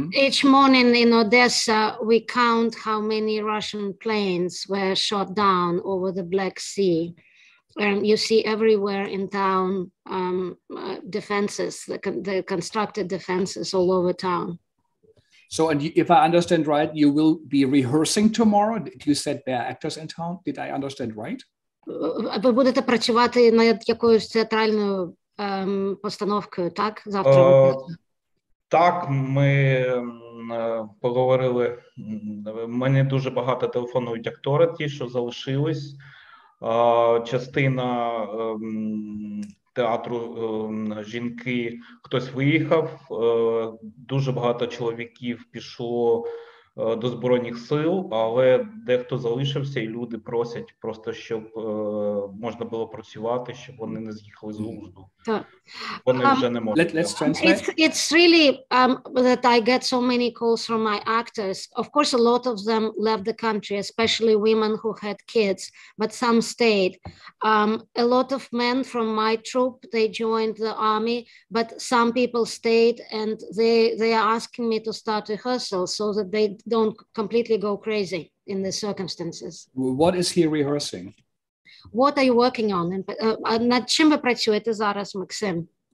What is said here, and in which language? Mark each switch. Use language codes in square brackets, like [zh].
[en] Each morning in Odessa, we count how many Russian planes were shot down over the Black Sea. You see everywhere in town defenses, the constructed defenses all over town. So, and if I understand right, you will be rehearsing tomorrow? You said there are actors in town. Did I understand right? [uk] Ви будете працювати над якоюсь театральною постановкою, так? Завтра? Так, ми поговорили. Мені дуже багато телефонують актори, ті, що залишились. Частина театру жінки, хтось виїхав, дуже багато чоловіків пішло до Збройних сил, але дехто залишився, і люди просять просто, щоб можна було працювати, щоб вони не з'їхали з глузду. Вони вже не можуть. [en] It's really that I get so many calls from my actors. Of course, a lot of them left the country, especially women who had kids, but some stayed. A lot of men from my troop, they joined the army, but some people stayed, and they are asking me to start rehearsals so that they don't completely go crazy in the circumstances. What is he rehearsing? What are you working on? [uk] Над чим ви працюєте зараз, Максим?